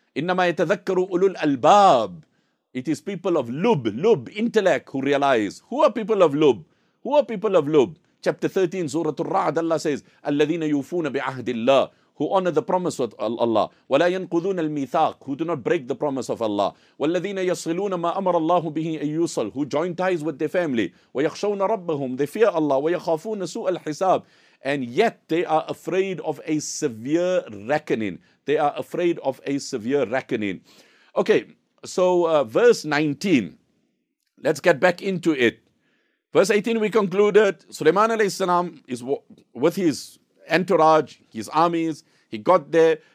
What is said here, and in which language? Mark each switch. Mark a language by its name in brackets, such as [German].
[Arabic] إِنَّمَا يَتَذَكَّرُ أُولُو الْأَلْبَابِ. [English] It is people of lub, intellect, who realize. Who are people of lub? Who are people of lub? Chapter 13, Surah Al-Ra'd, Allah says, [Arabic] الَّذِينَ يُوفُونَ بِعَهْدِ اللَّهِ, [English] who honor the promise of Allah. [Arabic] وَلَا يَنْقُذُونَ الْمِيثَاقِ, [English] who do not break the promise of Allah. [Arabic] وَالَّذِينَ يَصِلُونَ مَا أَمَرَ اللَّهُ بِهِ أَنْ يُوصَلُ, [English] who join ties with their family. [Arabic] وَيَخْشَوْنَ رَبَّهُمْ, [English] they fear Allah. [Arabic] وَيَخَافُونَ سُوءَ الْحِسَابِ, [English] and yet they are afraid of a severe reckoning. They are afraid of a severe reckoning. Okay, so verse 19, let's get back into it. Verse 18, we concluded, Sulaiman alayhi salam is with his entourage, his armies, he got there.